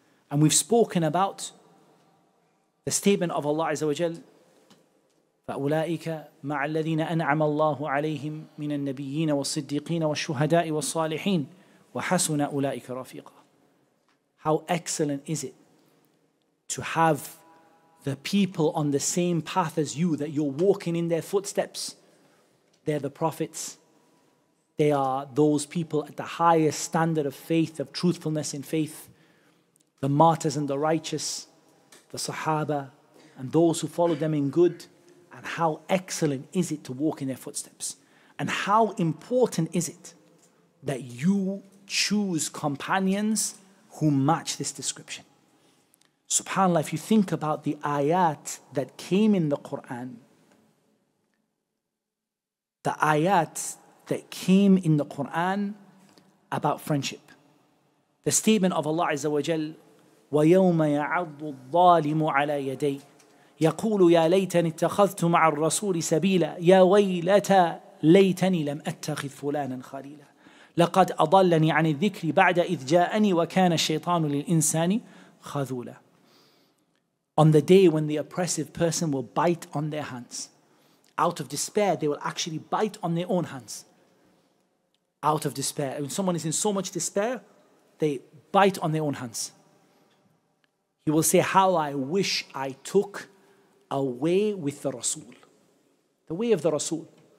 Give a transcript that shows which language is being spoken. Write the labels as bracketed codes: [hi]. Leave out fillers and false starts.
[en] And we've spoken about the statement of Allah Azza wa Jal, [ar] فَأُولَٰئِكَ مَعَ الَّذِينَ أَنْعَمَ اللَّهُ عَلَيْهِمْ مِنَ النَّبِيِّينَ وَالصِّدِّيقِينَ وَالشُّهَدَاءِ وَالصَّالِحِينَ وَحَسُنَ أُولَٰئِكَ رَفِيقًا. [en] How excellent is it to have the people on the same path as you, that you're walking in their footsteps. They're the prophets. They are those people at the highest standard of faith, of truthfulness in faith. The martyrs and the righteous, the sahaba, and those who follow them in good. And how excellent is it to walk in their footsteps? And how important is it that you choose companions who match this description? SubhanAllah, if you think about the ayat that came in the Qur'an, the ayat that came in the Qur'an about friendship, the statement of Allah Azza wa Jal, [ar] وَيَوْمَ يَعَضُّ الظَّالِمُ عَلَى يَدَيْهِ يَقُولُ يَا لَيْتَنِ اتَّخَذْتُ مَعَ الرَّسُولِ سَبِيلًا يَا وَيْلَتَى لَيْتَنِي لَمْ أَتَّخِذْ فُلَانًا خَلِيلًا لَقَدْ أَضَلَّنِي عَنِ الذِّكْرِ بَعْدَ إِذْ جَاءَنِي وَكَانَ الشَّيْطَانُ لِلْإِنسَانِ خَذُولًا. [en] On the day when the oppressive person will bite on their hands. Out of despair, they will actually bite on their own hands. Out of despair. When someone is in so much despair, they bite on their own hands. He will say, how I wish I took away with the Rasul. The way of the Rasul.